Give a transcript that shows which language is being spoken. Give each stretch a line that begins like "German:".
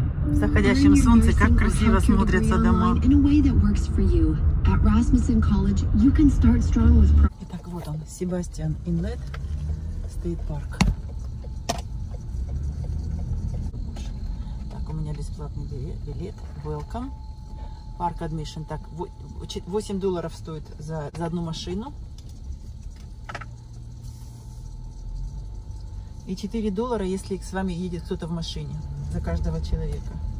Russian: В заходящем солнце как красиво смотрятся дома.
English: In a way that works for you. At Rasmussen College, you can start strong with...
Russian: Итак, вот он, Sebastian Inlet State Park. Так, у меня бесплатный билет.
English: Welcome. Парк адмишн.
Russian: Так, 8 долларов стоит за одну машину. И 4 доллара, если с вами едет кто-то в машине. За каждого человека.